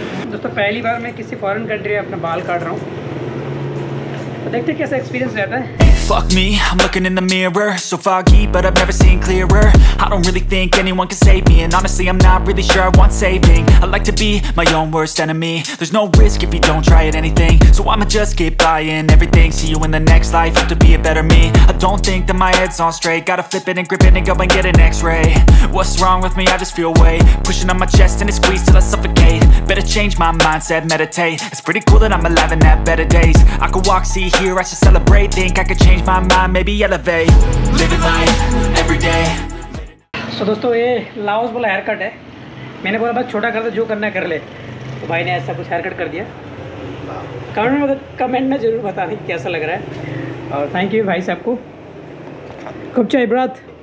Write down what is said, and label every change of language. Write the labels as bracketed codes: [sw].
[hi] दोस्तों, पहली बार मैं किसी फॉरेन कंट्री में अपना बाल काट रहा हूँ, देखते कैसा एक्सपीरियंस रहता है। [en] Fuck me, I'm looking in the mirror, so foggy, but I've never seen clearer. I don't really think anyone can save me, and honestly, I'm not really sure I want saving. I like to be my own worst enemy. There's no risk if you don't try at anything, so I'ma just keep buying everything. See you in the next life, hope to be a better me. I don't think that my head's on straight, gotta flip it and grip it and go and get an x-ray. What's wrong with me? I just feel weight pushing on my chest and it squeezes till I suffocate. Better change my mindset, meditate. It's pretty cool that I'm alive and have better days. I could walk, see, hear, I should celebrate. Think I could change my mind, maybe elevate. Living life every day. [hi] So, दोस्तों ये Laos वाला hair cut है। मैंने बोला बस छोटा कर दे, जो करना है कर ले। तो भाई ने ऐसा कुछ हेयर कट कर दिया। कमेंट में जरूर बता दें कैसा लग रहा है। और थैंक यू भाई साहब को। कब चाय ब्रात?